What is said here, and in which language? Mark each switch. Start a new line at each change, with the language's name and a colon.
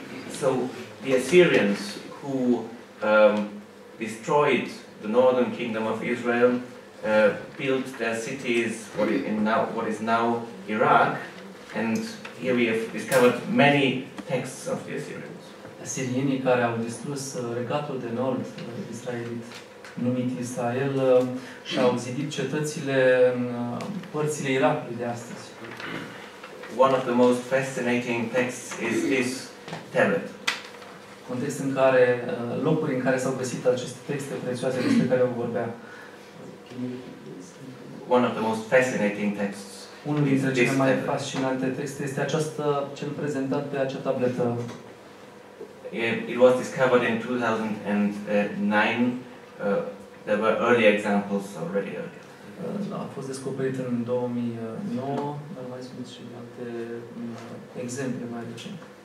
English: So, the Assyrians who destroyed the northern kingdom of Israel built their cities what is now Iraq. And here we have discovered many texts of the Assyrians.
Romanian: Asirienii care au distrus regatul de nord, Israelit, numit Israel, și-au zidit cetățile în părțile Irakului de astăzi.
English: One of the most fascinating texts is this tablet.
Romanian: Context în care, locuri în care s-au găsit aceste texte prețioase despre care eu vorbeam.
English: One of the most fascinating texts.
Romanian: Unul dintre cele mai fascinante texte este această cel prezentat pe acea tabletă.
English: It was discovered in 2009. There were early examples already.
Romanian: A fost descoperit în 2009, dar mai sunt și alte exemple mai recente.